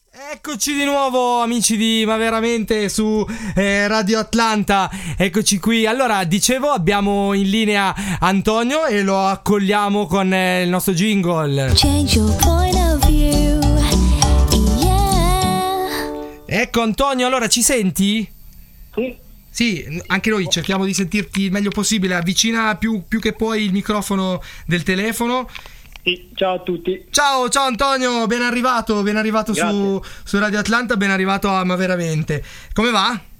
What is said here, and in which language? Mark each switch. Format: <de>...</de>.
<it>Eccoci di nuovo, amici di Ma Veramente, su Radio Atlanta. Eccoci qui. Allora, dicevo, abbiamo in linea Antonio e lo accogliamo con il nostro jingle.</it> <en>Change your point of view. Yeah.</en> <it>Ecco Antonio, allora ci senti? Sì. Sì, anche noi cerchiamo di sentirti il meglio possibile. Avvicina più che puoi il microfono del telefono. Ciao a tutti. Ciao Antonio, ben arrivato su Radio Atlanta, ben arrivato a Ma Veramente. Come va?</it>